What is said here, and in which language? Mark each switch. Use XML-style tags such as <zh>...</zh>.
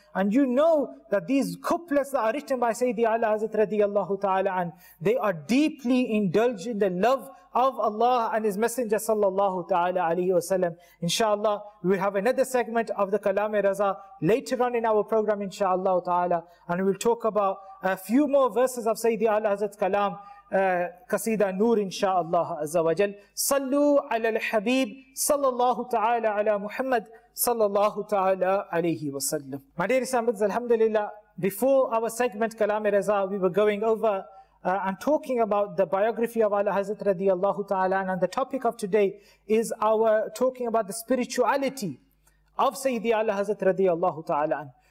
<en>And you know that these couplets that are written by Sayyidi Ala Hazrat radiyallahu ta'ala, and they are deeply indulged in the love of Allah and His Messenger sallallahu ta'ala alayhi wa sallam. Inshallah, we have another segment of the Kalam-e Raza later on in our program, inshallah ta'ala. And we'll talk about a few more verses of Sayyidi Ala Hazrat Kalam.</en> <ar>قصيدة نور إن شاء الله عز وجل صلوا على الحبيب صلى الله تعالى على محمد صلى الله تعالى عليه وسلم.</ar> <en>My dear Islamic, Alhamdulillah, before our segment Kalam Reza, we were going over and talking about the biography of Ala Hazrat radiallahu ta'ala, and the topic of today is our talking about the spirituality of Sayyidi Ala Hazrat radiallahu ta'ala.</en>